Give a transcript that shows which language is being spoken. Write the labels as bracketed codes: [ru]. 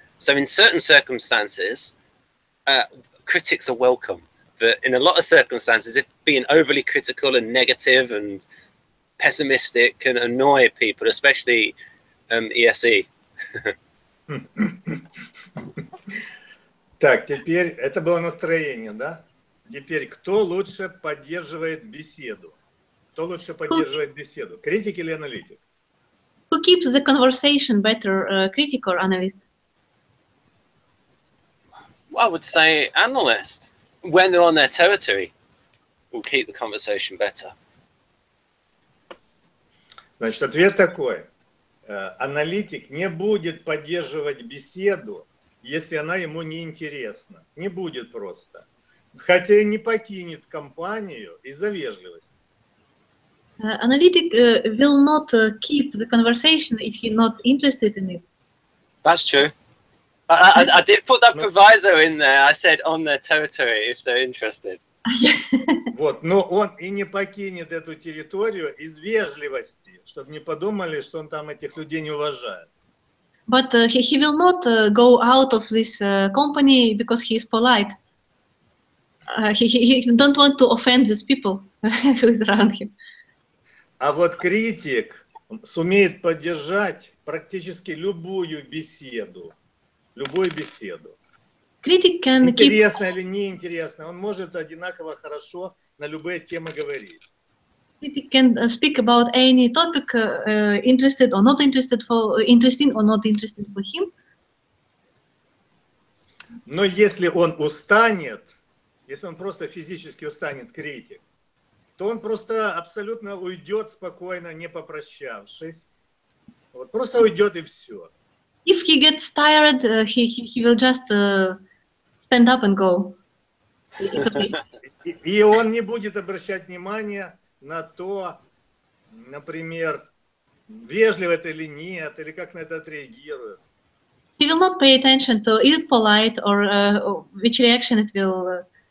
[en] So in certain circumstances, critics are welcome. But in a lot of circumstances, if being overly critical and negative and pessimistic can annoy people, especially ESE. [ru] Так, теперь это было настроение, да? Теперь, кто лучше поддерживает беседу? Кто лучше поддерживает беседу? Критик или аналитик? [en] Who keeps the conversation better, critic or analyst? Well, I would say analyst. When they're on their territory, will keep the conversation better. [ru] Значит, ответ такой. Аналитик не будет поддерживать беседу, если она ему не интересна. Не будет просто. Хотя и не покинет компанию из-за вежливости. [en] Analytic will not keep the conversation if he's not interested in it. That's true. I did put that proviso in there. I said on their territory if they're interested. [ru] Вот, но он и не покинет эту территорию из вежливости, чтобы не подумали, что он там этих людей не уважает. [en] But he will not go out of this company because he is polite. He don't want to offend these people who is around him. [ru] А вот критик сумеет поддержать практически любую беседу. Любую беседу. [en] Critic can [ru] интересно [en] keep... [ru] или неинтересно, он может одинаково хорошо на любые темы говорить. [en] Critic can speak about any topic, interested or not interested for, interesting or not interested for him. [ru] Но если он устанет, если он просто физически устанет, критик, то он просто абсолютно уйдет спокойно, не попрощавшись. Вот просто уйдет и все. [en] If he gets tired, he will just stand up and go. [ru] И он не будет обращать внимания на то, например, вежливо это или нет, или как на это отреагирует. [en] He will not pay attention to is it polite or which reaction it will